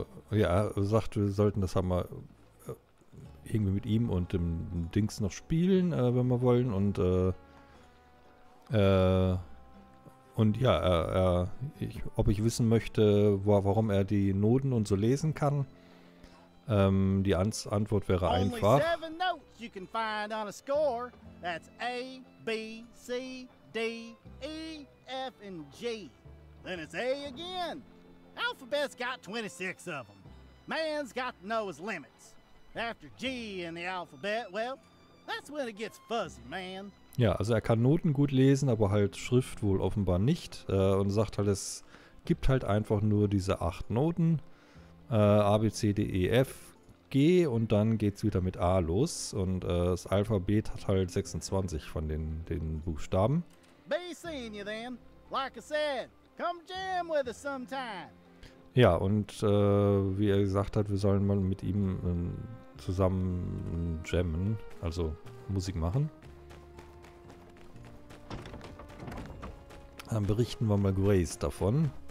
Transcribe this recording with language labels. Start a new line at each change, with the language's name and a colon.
German: Ja, er sagt, wir sollten das haben wir irgendwie mit ihm und dem Dings noch spielen, wenn wir wollen. Und, und ja, ich, ob ich wissen möchte, warum er die Noten und so lesen kann. Die Antwort wäre einfach.
English: Only seven notes you can find on a score. That's A, B, C, D, E, F, and G. Then it's A again. Alphabet's got 26 of them. Man's got to know his limits. After G in the alphabet, well, that's when it gets fuzzy, man.
German: Ja, also er kann Noten gut lesen, aber halt Schrift wohl offenbar nicht. Und sagt halt, es gibt halt einfach nur diese 8 Noten. A, B, C, D, E, F, G und dann geht's wieder mit A los und das Alphabet hat halt 26 von den Buchstaben.
English: Be seeing you then. Like I said, come jam with us sometime.
German: Ja, und wie er gesagt hat, wir sollen mal mit ihm zusammen jammen, also Musik machen. Dann berichten wir mal Grace davon.